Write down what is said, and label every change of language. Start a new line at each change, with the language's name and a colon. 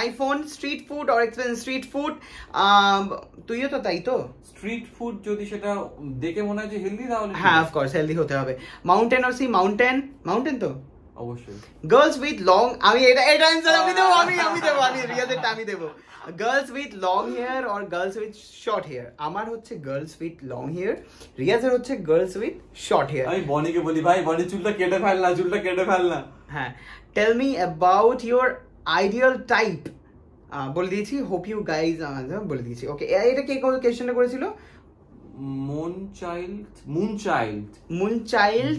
English: iPhone, street food or expensive street food?
Bangla: তুইও তো তাই তো। Street food যদি সেটা দেখে মনে হয় যে healthy তাহলে। হ্যাঁ, of course healthy হতে হবে।
English: Mountain or sea? Mountain, mountain তো।
Bangla: অবশ্যই।
English: Girls with long,
Bangla: আমি এটা এটা answer আমি দেবো, আমি দেবো, আমি রিয়াজের টা আমি দেবো।
English: Girls with long hair or girls with short hair?
Bangla: আমার হচ্ছে
English: girls with long hair,
Bangla: রিয়াজের হচ্ছে
English: girls with short hair।
Bangla: আমি বনিকে বলি ভাই, বনি চুলটা কেটে ফেল না, চুলটা কেটে ফেল না।
English: হ্যাঁ, tell me about your ideal type,
Bangla: বলে দিয়েছি,
English: Hope you guys বলে দিয়েছি।
Bangla: ওকে, এটা কে কোন কোশ্চেনটা করেছিল?
English: moon child, moon child, moon child